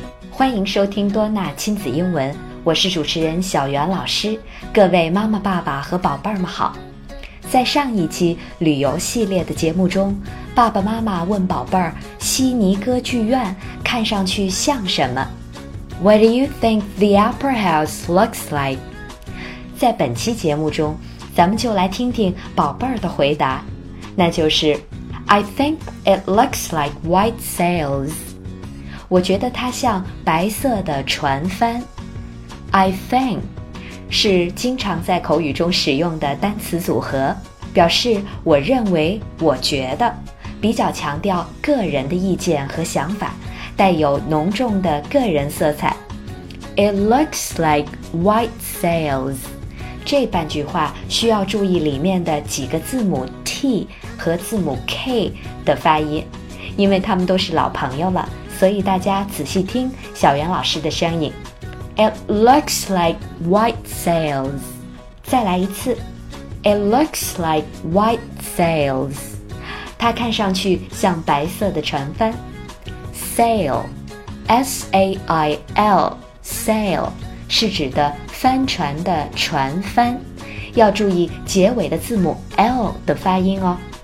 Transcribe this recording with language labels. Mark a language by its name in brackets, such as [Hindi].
[Chinese] 欢迎收听多纳亲子英文，我是主持人小袁老师。各位妈妈爸爸和宝贝儿们好，在上一期旅游系列的节目中，爸爸妈妈问宝贝儿悉尼歌剧院看上去像什么？ [English] What do you think the Opera House looks like? [Chinese] 在本期节目中，咱们就来听听宝贝儿的回答，那就是 [English] I think it looks like white sails. [Chinese] 我觉得它像白色的船帆。I think是经常在口语中使用的单词组合，表示我认为、我觉得，比较强调个人的意见和想法，带有浓重的个人色彩。 [English] It looks like white sails. [Chinese] 这半句话需要注意里面的几个字母 T 和字母 K 的发音，因为他们都是老朋友了，所以大家仔细听小袁老师的声音。 [English] It looks like white sails. [Chinese] 再来一次。 [English] It looks like white sails. [Chinese] 它看上去像白色的船帆。Sail, S-A-I-L, sail, 是指的帆船的船帆。要注意结尾的字母 L 的发音哦。